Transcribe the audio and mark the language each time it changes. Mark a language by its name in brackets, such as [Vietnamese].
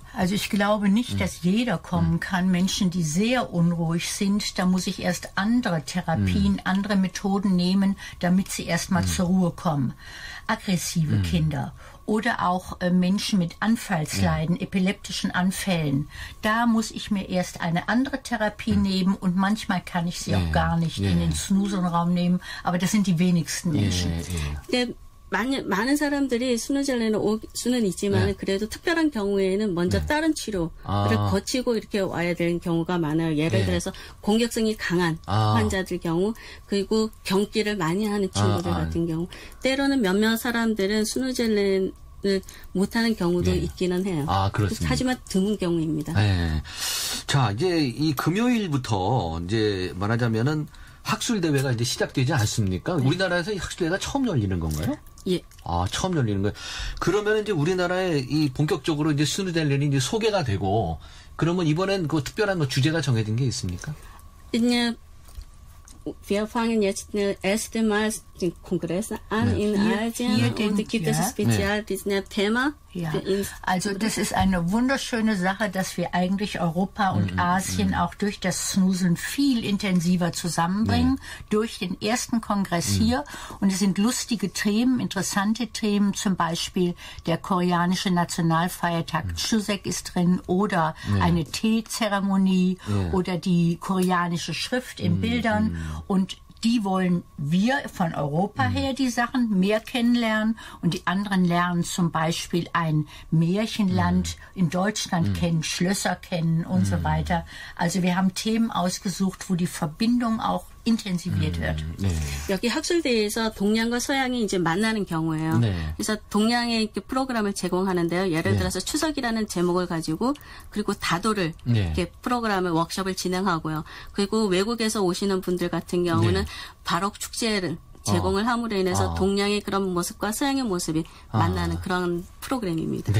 [German] Also ich glaube nicht, dass jeder kommen kann. Menschen, die sehr unruhig sind, da muss ich erst andere Therapien, andere Methoden nehmen, damit sie erstmal zur Ruhe kommen. Aggressive Kinder oder auch Menschen mit Anfallsleiden, epileptischen Anfällen. Da muss ich mir erst eine andere Therapie nehmen und manchmal kann ich sie auch gar nicht in den Snoozenraum nehmen. Aber das sind die wenigsten Menschen. Yeah. [Korean] 많은 사람들이 스노젤랜을 올 수는 있지만 네. 그래도 특별한 경우에는 먼저 네. 다른 치료를 아. 거치고 이렇게 와야 되는 경우가 많아요. 예를 네. 들어서 공격성이 강한 아. 환자들 경우 그리고 경기를 많이 하는 친구들 아. 같은 경우 때로는 몇몇 사람들은 스노젤랜을 못하는 경우도 네. 있기는 해요. 아, 그렇습니다. 하지만 드문 경우입니다. 네. 자, 이제 이 금요일부터 이제 말하자면은 학술대회가 이제 시작되지 않습니까? 네. 우리나라에서 이 학술대회가 처음 열리는 건가요? 예. 아, 처음 열리는 거예요. 그러면 이제 우리나라에 이 본격적으로 이제 스노젤랜이 이제 소개가 되고, 그러면 이번엔 그 특별한 그 주제가 정해진 게 있습니까? 이제, [German] wir fangen jetzt den ersten Mal den Kongress an in Asien. Hier denn, und gibt es speziell diesen Thema? Ja, also das ist eine wunderschöne Sache, dass wir eigentlich Europa und Asien auch durch das Snoozen viel intensiver zusammenbringen, durch den ersten Kongress hier. Und es sind lustige Themen, interessante Themen, zum Beispiel der koreanische Nationalfeiertag Chuseok ist drin oder eine Teezeremonie oder die koreanische Schrift in Bildern. Und die wollen wir von Europa her die Sachen mehr kennenlernen und die anderen lernen zum Beispiel ein Märchenland in Deutschland kennen, Schlösser kennen und so weiter. Also wir haben Themen ausgesucht, wo die Verbindung auch intensiviert wird. [Korean] 네. 여기 학술대회에서 동양과 서양이 이제 만나는 경우예요. 네. 그래서 동양의 이렇게 프로그램을 제공하는데요. 예를 들어서 추석이라는 제목을 가지고 그리고 다도를 이렇게 프로그램을 워크숍을 진행하고요. 그리고 외국에서 오시는 분들 같은 경우는 바록 축제를 제공을 함으로 인해서 동양의 그런 모습과 서양의 모습이 만나는 그런 프로그램입니다.